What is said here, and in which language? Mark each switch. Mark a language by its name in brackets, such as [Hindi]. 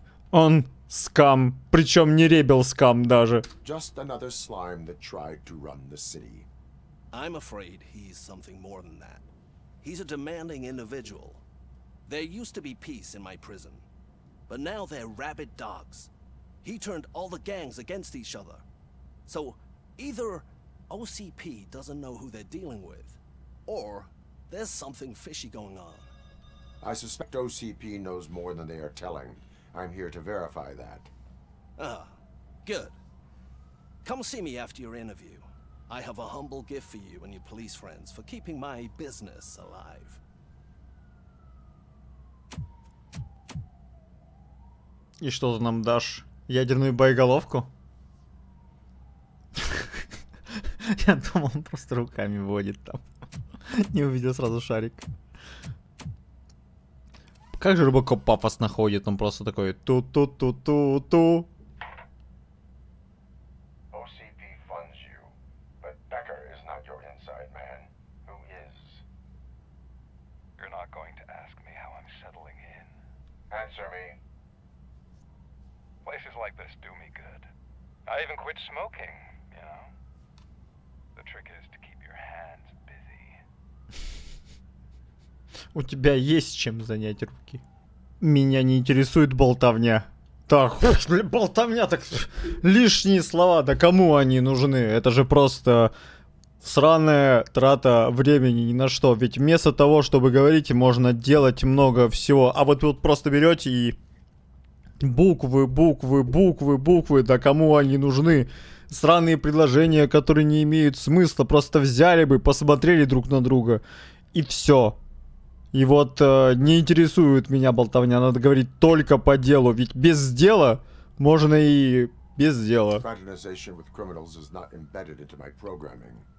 [Russian] Он скам, причем не ребел скам даже. [English] Just another slime that tried to run the city. I'm afraid he's something more than that. He's a demanding individual. There used to be peace in my prison, but now they're rabid dogs. He turned all the gangs against each other. So either OCP doesn't know who they're dealing with, or there's something fishy going on. I suspect OCP knows more than they are telling. I'm here to verify that. Ah, good. Come see me after your interview. I have a humble gift for you and your police friends for keeping my business alive. [Russian] И что ты нам дашь? Ядерную боеголовку? Я думал, он просто руками водит там. Не увидел сразу шарик. Как же Робокоп пафос находит, он просто такой ту-ту-ту-ту-ту. [English] OCP funds you, but Becker is not your inside man. Who is? You're not going to ask me how I'm settling in. Answer me. Places like this do me good. I even quit smoking, you know? The trick is to keep your hands busy. [Russian] У тебя есть чем занять руки. Меня не интересует болтовня. Так, болтовня, так лишние слова. Да кому они нужны? Это же просто сраная трата времени ни на что. Ведь вместо того, чтобы говорить, можно делать много всего. А вот тут просто берете и буквы, буквы, буквы, буквы. Да кому они нужны? Сраные предложения, которые не имеют смысла. Просто взяли бы, посмотрели друг на друга. И все. И вот не интересует меня болтовня, надо говорить только по делу, ведь без дела можно и без дела. [English] Fraternization with criminals is not embedded into my programming.